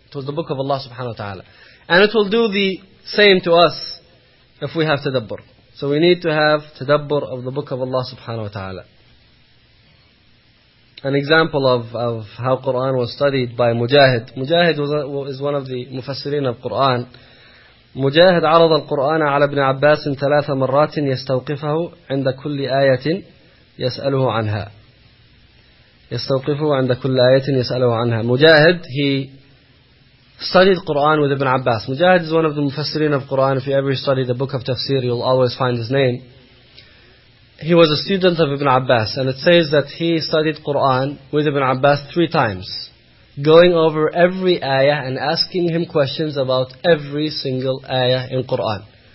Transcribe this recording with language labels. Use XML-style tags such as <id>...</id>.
<en>It was the book of Allah subhanahu wa ta'ala. And it will do the same to us if we have tadabbur. So we need to have tadabbur of the book of Allah subhanahu wa ta'ala. An example of how Qur'an was studied by Mujahid. Mujahid is one of the mufassirin of Qur'an.</en> <ar>مجاهد عرض القرآن على ابن عباس ثلاث مرات يستوقفه عند كل آية يسأله عنها. يستوقفه عند كل آية يسأله عنها.</ar> <en>مجاهد, he studied Quran with Ibn Abbas. Mujahid is one of the Mufassirin of Quran. If you ever study the book of Tafsir, you'll always find his name. He was a student of Ibn Abbas, and it says that he studied Quran with Ibn Abbas three times, going over every ayah and asking him questions about every single ayah in Qur'an.</en>